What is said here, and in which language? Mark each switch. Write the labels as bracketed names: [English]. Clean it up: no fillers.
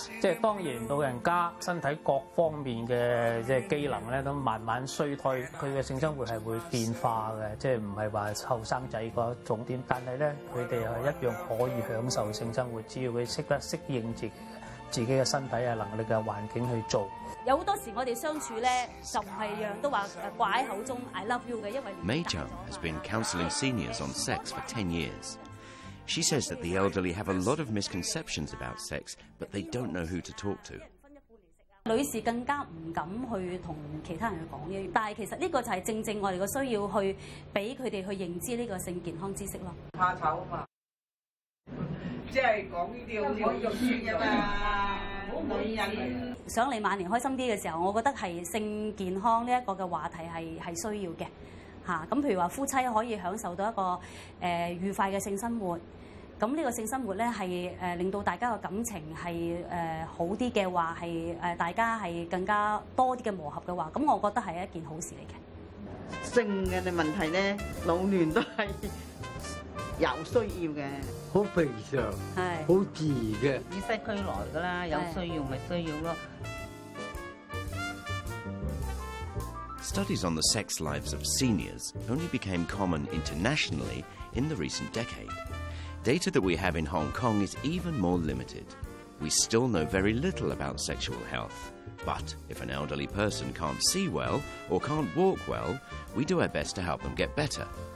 [Cantonese] 即係當然老人家身體各方面嘅即係機能咧都慢慢衰退，佢嘅性生活係會變化嘅，即係唔係話後生仔個重點，但係咧佢哋係一樣可以享受性生活，只要佢識得適應自己。自己的身體啊、能力嘅環境去做。有好多時候我哋相處咧，就唔係樣都話掛喺口中 [English] I love you [Cantonese] 嘅，因為 [English] May Jung has been counselling seniors on sex for 10 years. She says that the elderly have a lot of misconceptions about sex, but they don't know who to talk to. [Cantonese] 女士更加唔敢去同其他人去講嘢，但係其實呢個就係正正我哋個需要去俾佢哋去認知呢個性健康知識咯。怕醜嘛，即係講呢啲好肉酸嘅嘛。想你晚年開心啲嘅時候，我覺得係性健康呢一個嘅話題係需要嘅嚇。咁譬如話夫妻可以享受到一個愉快嘅性生活。咁呢個性生活咧，係令到大家嘅感情係好啲嘅話，係大家係更加多啲嘅磨合嘅話，咁我覺得係一件好事嚟嘅。性嘅問題咧，老年都係有需要嘅，好平常，係好自然嘅，與世俱來噶啦，有需要咪需要咯。 [English] Studies on the sex lives of seniors only became common internationally in the recent decade. Data that we have in Hong Kong is even more limited. We still know very little about sexual health. But if an elderly person can't see well or can't walk well, we do our best to help them get better.